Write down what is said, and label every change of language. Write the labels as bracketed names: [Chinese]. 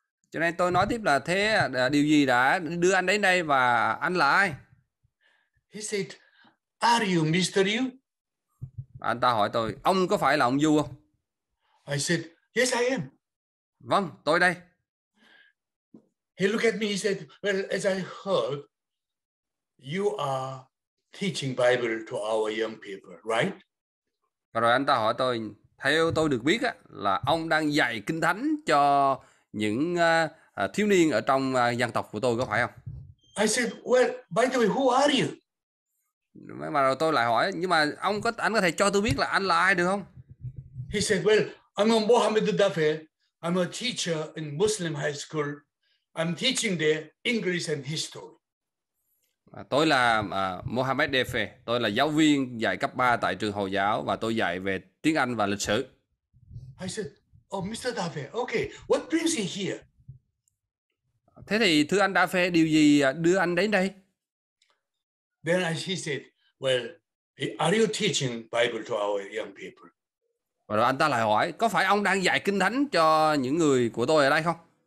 [Vietnamese] Cho nên tôi nói tiếp là thế điều gì đã đưa anh đến đây và anh là ai? [English] He said, are you Mr. Yu? [Vietnamese] Anh ta hỏi tôi, ông có phải là ông Yu không? [English] I said, yes I am. [Vietnamese] Vâng, tôi đây. [English] He looked at me, he said, well, as I heard, you are teaching Bible to our young people, right? [Vietnamese] Và rồi anh ta hỏi tôi, theo tôi được biết là ông đang dạy kinh thánh cho những thiếu niên ở trong dân tộc của tôi, có phải không? [English] I said, well, by the way, who are you? [Vietnamese] Mà rồi tôi lại hỏi, nhưng mà anh có thể cho tôi biết là anh là ai được không? [English] He said, well, I'm Mohammed Dafe. I'm a teacher in Muslim high school. I'm teaching there English and history. [Vietnamese] Tôi là Mohammed Dafe. Tôi là giáo viên dạy cấp 3 tại trường Hồi giáo và tôi dạy về tiếng Anh và lịch sử. [English] I said, oh, Mr. Dafe, okay, what brings you here? [Vietnamese] Thế thì thưa anh Dafe, điều gì đưa anh đến đây? [English] Then he said, well, are you teaching Bible to our young people? [Vietnamese] Và rồi anh ta lại hỏi, có phải ông đang dạy kinh thánh cho những người của tôi ở đây không?